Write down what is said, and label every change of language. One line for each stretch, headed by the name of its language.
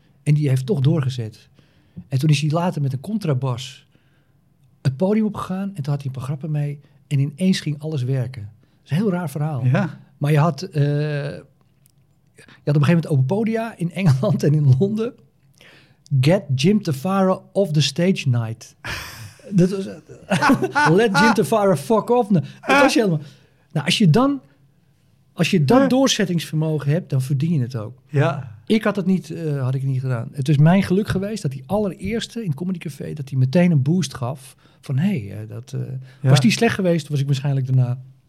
Dutch: En die heeft toch doorgezet. En toen is hij later met een contrabas... het podium opgegaan en toen had hij een paar grappen mee... en ineens ging alles werken. Dat is een heel raar verhaal. Ja. Maar je had op een gegeven moment open podia in Engeland en in Londen.
English: Get Jim Tafare off the stage night.
Dutch: Dat was,
English: let Jim Tafare fuck off.
Dutch: Dat was helemaal, nou, als je dan doorzettingsvermogen hebt, dan verdien je het ook. Ja. Ik had het niet, had ik niet gedaan. Het is mijn geluk geweest dat die allereerste in het Comedy Café... dat hij meteen een boost gaf van... was die slecht geweest, was ik waarschijnlijk daarna...